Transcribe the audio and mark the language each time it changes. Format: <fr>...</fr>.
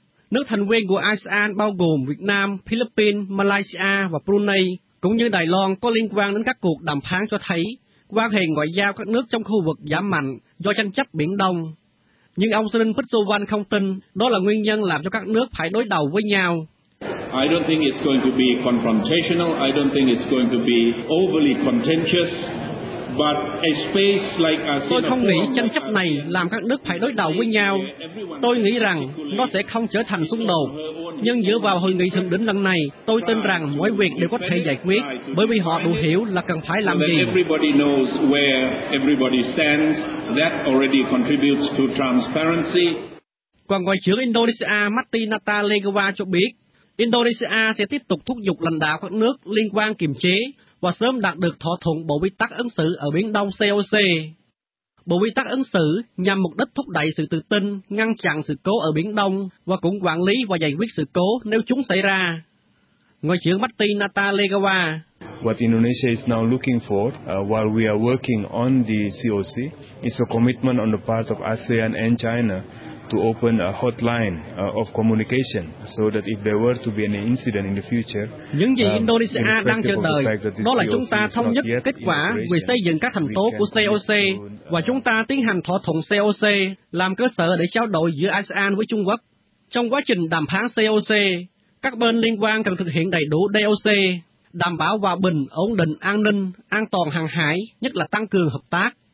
<vi>Nước thành viên của ASEAN bao gồm Việt Nam, Philippines, Malaysia và Brunei, cũng như Đài Loan có liên quan đến các cuộc đàm phán cho thấy quan hệ ngoại giao các nước trong khu vực giảm mạnh do tranh chấp Biển Đông. Nhưng ông Srin Pisuvan không tin đó là nguyên nhân làm cho các nước phải đối đầu với nhau.</vi> <en>I don't think it's going to be confrontational. I don't think it's going to be overly contentious. But a space like ASEAN,</en> <vi>tôi không nghĩ tranh chấp này làm các nước phải đối đầu với nhau. Tôi nghĩ rằng nó sẽ không trở thành xung đột. Nhưng dựa vào hội nghị thượng đỉnh lần này, tôi tin rằng mọi việc đều có thể giải quyết bởi vì họ đủ hiểu là cần phải làm gì.</vi> <en>Everybody knows where everybody stands. That already contributes to transparency.</en> <vi>Còn Ngoại trưởng Indonesia Martinata Legowa cho biết, Indonesia sẽ tiếp tục thúc giục lãnh đạo các nước liên quan kiềm chế và sớm đạt được thỏa thuận bộ quy tắc ứng xử ở Biển Đông COC. Bộ quy tắc ứng xử nhằm mục đích thúc đẩy sự tự tin, ngăn chặn sự cố ở Biển Đông và cũng quản lý và giải quyết sự cố nếu chúng xảy ra. Ngoại trưởng Martinata Legowa,</vi> <en>what Indonesia is now looking for while we are working on the COC is a commitment on the part of ASEAN and China to open a hotline of communication so that if there were to be any incident in the future.</en> <vi>Những gì Indonesia đang chờ đợi đó là chúng ta thống nhất kết quả về xây dựng các thành tố của COC và chúng ta tiến hành thỏa thuận COC làm cơ sở để trao đổi giữa ASEAN với Trung Quốc. Trong quá trình đàm phán COC, các bên liên quan cần thực hiện đầy đủ DOC, đảm bảo hòa bình, ổn định, an ninh, an toàn hàng hải, nhất là tăng cường hợp tác.</vi>